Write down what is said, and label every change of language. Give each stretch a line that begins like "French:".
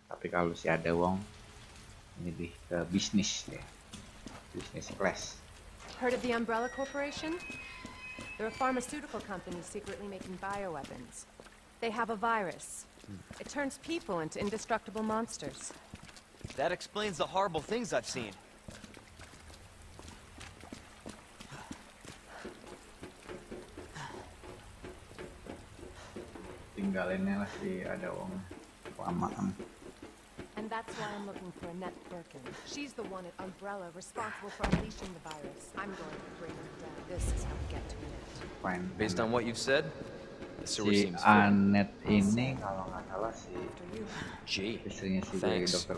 Indonesian: Tapi kalau si Ada Wong, ini lebih ke bisnis ya. Bisnis class.
English: Heard of the Umbrella Corporation? They're a pharmaceutical company secretly making bioweapons. They have a virus. It turns people into indestructible monsters. That explains the horrible things I've seen.
Indonesian: Tinggalinnya lah si Ada Wong. Lama-lama.
English: And that's why I'm looking for Annette Birkin. She's the one at Umbrella responsible for unleashing the virus. I'm going to bring her down. This is how we get to Annette. Fine. Based on what you've said, the sewer
Indonesian: si
English: seems
Indonesian: Annette cool. Ini kalau nggak salah si istrinya si Dr.